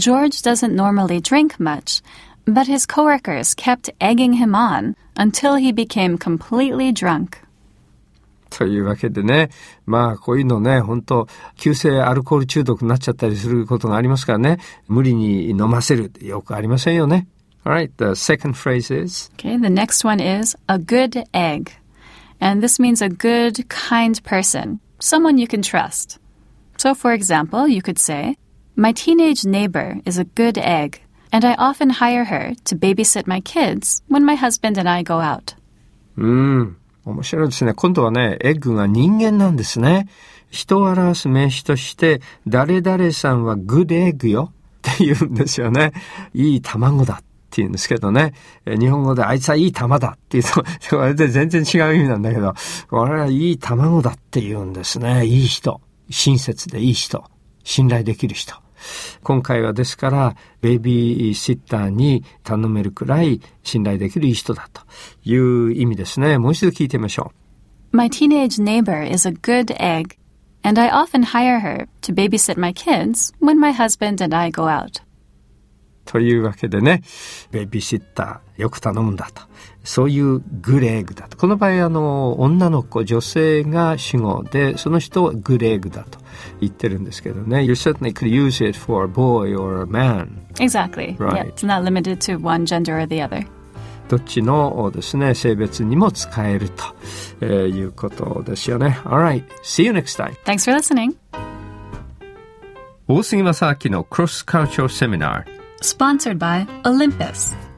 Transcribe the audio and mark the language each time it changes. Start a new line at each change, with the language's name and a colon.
English: George doesn't normally drink much. But his coworkers kept egging him on until he became completely drunk.
Japanese: というわけでね、まあこういうのね、本当急性アルコール中毒になっちゃったりすることがありますからね、無理に飲ませるってよくありませんよね。
English: All right, the second phrase is... Okay, the next one is a good egg. And this means a good, kind person, someone you can trust. So for example, you could say, My teenage neighbor is a good egg. And I often hire her to babysit my kids when my husband and I go out.
Japanese: 面白いですね。今度はね、エッグが人間なんですね。人を表す名詞として、誰々さんはグッドエッグよって言うんですよね。いい卵だって言うんですけどね。日本語であいつはいい玉だって言うと、あれで全然違う意味なんだけど、我々はいい卵だって言うんですね。いい人。親切でいい人。信頼できる人。今回はですからベビーシッターに頼めるくらい信頼できるいい人だという意味ですね。もう一度聞いてみましょう。
English: My teenage neighbor is a good egg and I often hire her to babysit my kids when my husband and I go out.
Japanese: というわけでね、ベビーシッターよく頼むんだと、そういうグレーグだと、この場合女の子、女性が主語で、その人はグレーグだと言ってるんですけどね。
English: You certainly could use it for a boy or a man. Exactly. Right. Yeah, it's not limited to one gender or the other.
Japanese: どっちのですね、性別にも使えるということですよね。
English: All right. See you next time. Thanks for listening.
Japanese: 大杉正明のクロスカルチャーセミナー。
English: Sponsored by Olympus.